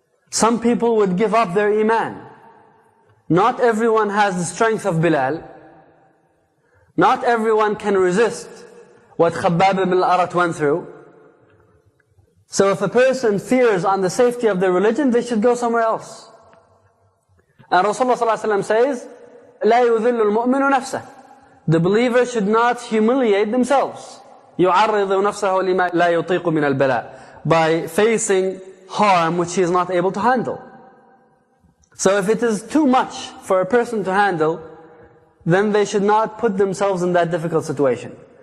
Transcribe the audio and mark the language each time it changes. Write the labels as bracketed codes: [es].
[en] Some people would give up their iman. Not everyone has the strength of Bilal. Not everyone can resist what Khabbab ibn al-Arat went through. So if a person fears on the safety of their religion, they should go somewhere else. And Rasulullah ﷺ says, [ar] لَا يُذِلُّ الْمُؤْمِنُ نَفْسَهُ. [en] The believer should not humiliate themselves. [ar] يُعَرِّضُ نَفْسَهُ لِمَا لَا يُطِيقُ مِنَ الْبَلَاءِ. [en] By facing harm which he is not able to handle. So if it is too much for a person to handle, then they should not put themselves in that difficult situation.